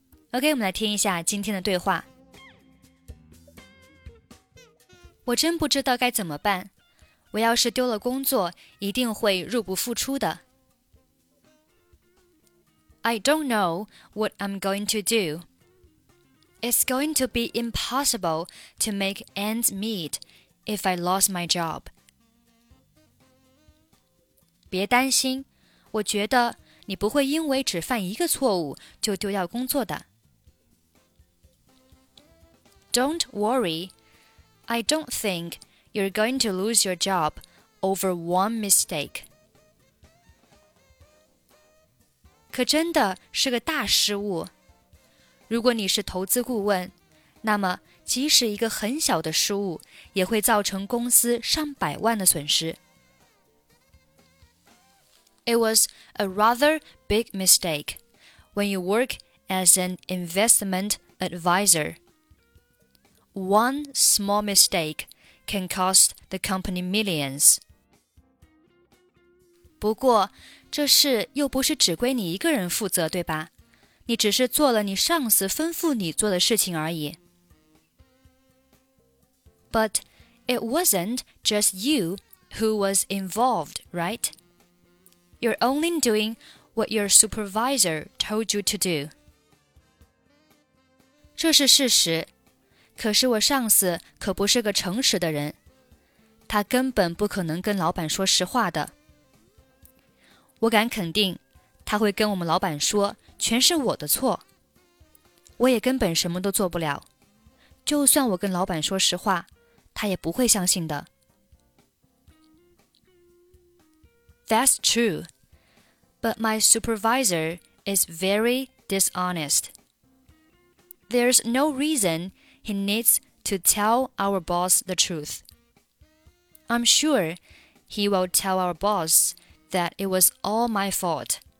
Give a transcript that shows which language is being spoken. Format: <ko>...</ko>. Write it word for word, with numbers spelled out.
<zh>OK， 我们来听一下今天的对话。我真不知道该怎么办。我要是丢了工作，一定会入不敷出的。</zh> <en>I don't know what I'm going to do. It's going to be impossible to make ends meet if I lost my job.</en> <zh>别担心，我觉得你不会因为只犯一个错误就丢掉工作的。</zh> <en>Don't worry. I don't think you're going to lose your job over one mistake.</en> <zh>可真的是个大失误。如果你是投资顾问，那么即使一个很小的失误，也会造成公司上百万的损失。</zh> <en>It was a rather big mistake when you work as an investment advisor. One small mistake can cost the company millions.</en> <zh>不过，这事又不是只归你一个人负责，对吧？你只是做了你上司吩咐你做的事情而已。</zh> <en>But it wasn't just you who was involved, right? You're only doing what your supervisor told you to do.</en> <zh>这是事实，可是我上司可不是个诚实的人，他根本不可能跟老板说实话的。我敢肯定，他会跟我们老板说，全是我的错。我也根本什么都做不了，就算我跟老板说实话，他也不会相信的。</zh> <en>That's true, but my supervisor is very dishonest. There's no reason he needs to tell our boss the truth. I'm sure he will tell our boss. That it was all my fault.</en>